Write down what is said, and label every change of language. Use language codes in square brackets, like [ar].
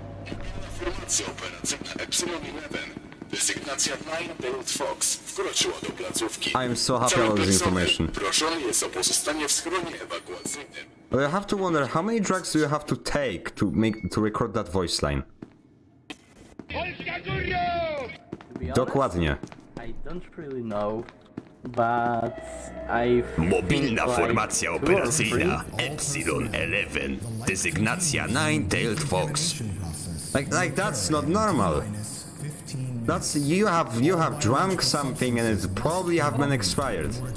[pl] Informacja operacyjna Epsilon 11. Designacja Nine Tailed Fox wkroczyła do placówki. [en] I'm so happy about this information. [pl] Proszony jest o pozostanie w schronie ewakuacyjnym. [en] But I have to wonder, how many drugs do you have to take to make to record that voice line? [pl] Polska Gório! Dokładnie. [en] I don't really know, but I've [pl] mobilna formacja operacyjna Epsilon 11. Designacja Nine Tailed Fox. [en] Like that's not normal. That's you have drunk something and it's probably have been expired.